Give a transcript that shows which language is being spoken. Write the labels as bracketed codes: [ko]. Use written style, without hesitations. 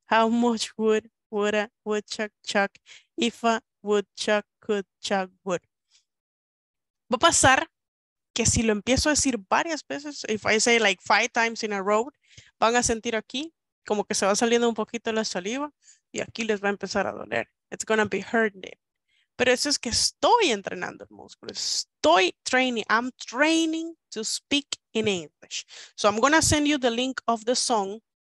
[en] How much wood would a woodchuck chuck if a woodchuck could chuck wood? [es] Va a pasar que si lo empiezo a decir varias veces, [en] if I say like 5 times in a row, [es] van a sentir aquí como que se va saliendo un poquito la saliva y aquí les va a empezar a doler. [en] It's gonna be hurting. [es] Pero eso es que estoy entrenando el músculo. Estoy [en] training. I'm training to speak in English. So I'm gonna send you the link of the song.